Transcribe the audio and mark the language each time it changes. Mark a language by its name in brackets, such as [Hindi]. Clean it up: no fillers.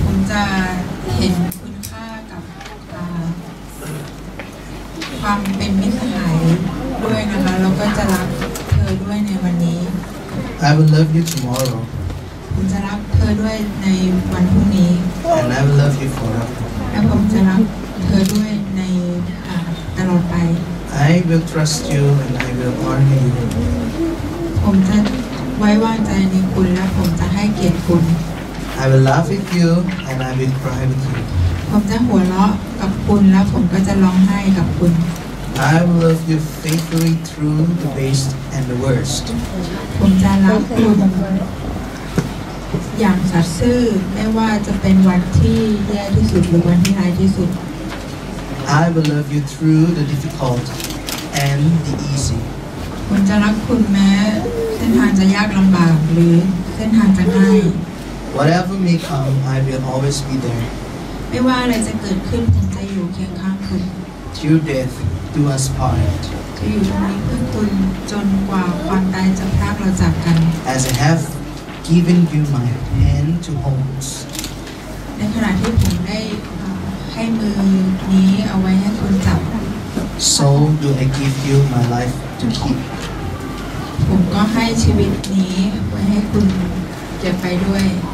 [Thai] จะเห็นคุณค่ากับความเป็นมิตรสหายด้วยนะคะแล้วก็จะรักเธอด้วยในวันนี้ [English] I will love you tomorrow. [Thai] ผมจะรักเธอด้วยในวันพรุ่งนี้ [English] And I will love you forever. [Thai] และผมจะรักเธอด้วยในตลอดไป [English] I will trust you and I will honor you. [Thai] ผมจะไว้วางใจในคุณและผมจะให้เกียรติคุณ [English] I will laugh with you and I will cry with you. [Thai] ผมจะหัวเราะกับคุณและผมก็จะร้องไห้กับคุณ [English] I will love you faithfully through the best and the worst. [Thai] ผมจะรักคุณอย่างสัตย์ซื่อไม่ว่าจะเป็นวันที่แย่ที่สุดหรือวันที่ร้ายที่สุด [English] I will love you through the difficult and the easy. [Thai] ผมจะรักคุณแม้เส้นทางจะยากลำบากหรือเส้นทางจะง่าย [English] Whatever may come, I will always be there. [Thai] ไม่ว่าอะไรจะเกิดขึ้นผมจะอยู่เคียงข้างคุณ [English] Through death. Do us part. [Thai] จะอยู่ตรงนี้เพื่อคุณจนกว่าความตายจะพรากเราจากกัน [English] As I have given you my hand to hold. [Thai] ในขณะที่ผมได้ให้มือนี้เอาไว้ให้คุณจับ [English] So do I give you my life to keep. [Thai] ผมก็ให้ชีวิตนี้ไว้ให้คุณเก็บไปด้วย